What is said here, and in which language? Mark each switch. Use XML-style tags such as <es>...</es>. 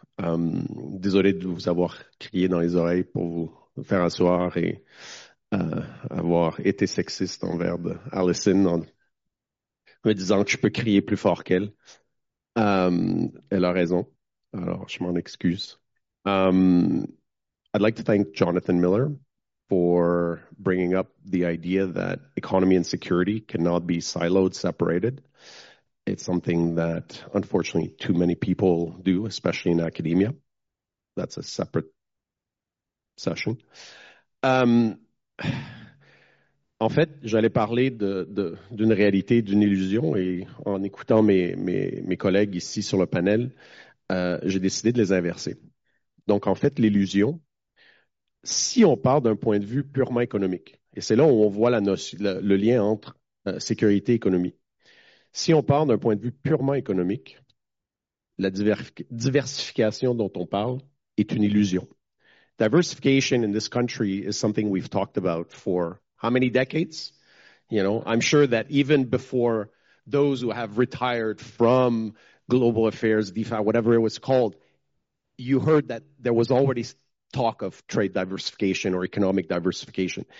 <fr>Désolé de vous avoir crié dans les oreilles pour vous faire asseoir et avoir été sexiste envers Alison en me disant que je peux crier plus fort qu'elle. Elle a raison. Alors, je m'en excuse.</fr> <en>I'd like to thank Jonathan Miller for bringing up the idea that economy and security cannot be siloed, separated. It's something that, unfortunately, too many people do, especially in academia. That's a separate session.</en> <fr>En fait, j'allais parler d'une réalité, d'une illusion, et en écoutant mes collègues ici sur le panel, j'ai décidé de les inverser. Donc, en fait, l'illusion, si on part d'un point de vue purement économique, et c'est là où on voit le lien entre sécurité et économie, si on part d'un point de vue purement économique, la diversification dont on parle est une illusion.</fr> <en>Diversification in this country is something we've talked about for how many decades? You know, I'm sure that even before those who have retired from global affairs, DFAT, whatever it was called, you heard that there was already talk of trade diversification or economic diversification.</en>